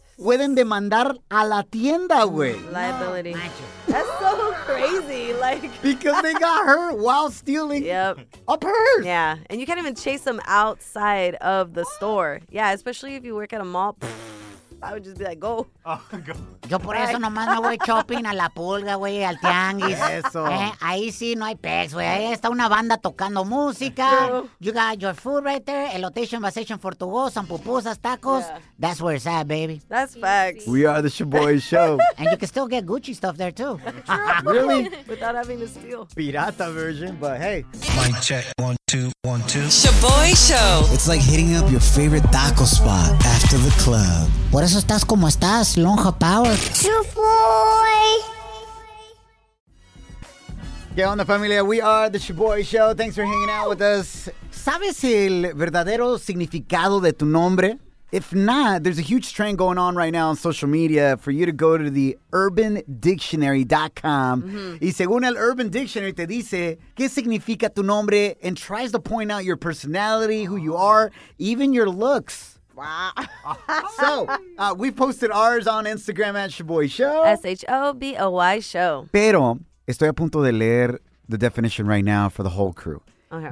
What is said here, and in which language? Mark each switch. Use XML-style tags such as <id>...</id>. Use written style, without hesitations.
<es>Pueden demandar a la tienda, güey.</es> <en>Liability. That's so crazy. Like, because they got hurt while stealing a purse. Yeah, and you can't even chase them outside of the store. Yeah, especially if you work at a mall. I would just be like, go. Oh, God.</en> <es>Yo por eso nomás me voy shopping a la pulga, güey, al tianguis. Eso. Ahí sí no hay pez, güey. Ahí está una banda tocando música.</es> <en>You got your food right there. Elotation, vasation, for to go, some pupusas, tacos. Yeah. That's where it's at, baby. That's facts. We are the Shaboy Show. And you can still get Gucci stuff there, too. Really? Without having to steal. Pirata version, but hey. Mic check. 1, 2, 1, 2. Shaboy Show. It's like hitting up your favorite taco spot after the club.</en> <es>Por eso estás como estás, Lonja Power.</es> <en>Shaboy.</en> <es>¿Qué onda, familia?</es> <en>We are the Shaboy Show. Thanks for hanging out with us.</en> <es>¿Sabes el verdadero significado de tu nombre?</es> <en>If not, there's a huge trend going on right now on social media for you to go to the UrbanDictionary.com. Mm-hmm.</en> <es>Y según el Urban Dictionary te dice, ¿qué significa tu nombre?</es> <en>And tries to point out your personality, who you are, even your looks. Wow. So, we posted ours on Instagram at Shaboy Show. Shaboy Show.</en> <es>Pero estoy a punto de leer</es> <en>the definition right now for the whole crew. Okay.</en>